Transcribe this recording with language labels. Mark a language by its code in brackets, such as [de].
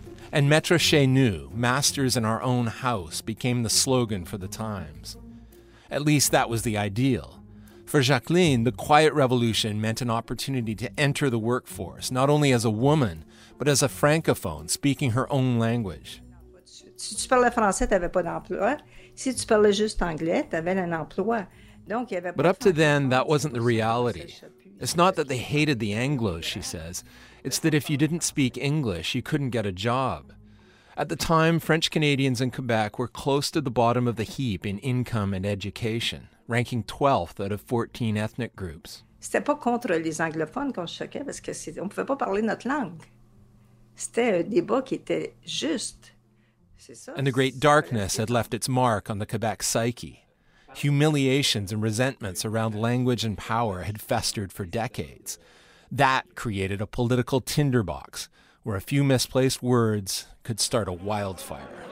[en] And [fr] Maître chez nous, [en] masters in our own house, became the slogan for the times. At least that was the ideal. For Jacqueline, the quiet revolution meant an opportunity to enter the workforce, not only as a woman, but as a francophone, speaking her own language. [fr] Si tu parlais français, t'avais pas d'emploi. Si tu parlais juste anglais, t'avais un emploi. [en] But up to then, that wasn't the reality. It's not that they hated the Anglos, she says. It's that if you didn't speak English, you couldn't get a job. At the time, French Canadians in Quebec were close to the bottom of the heap in income and education, ranking 12th out of 14 ethnic groups. [fr] C'était pas contre les anglophones qu'on choquait parce que c'est, on pouvait pas parler notre langue. C'était un débat qui était juste. [en] And the great darkness had left its mark on the Quebec psyche. Humiliations and resentments around language and power had festered for decades. That created a political tinderbox where a few misplaced words could start a wildfire.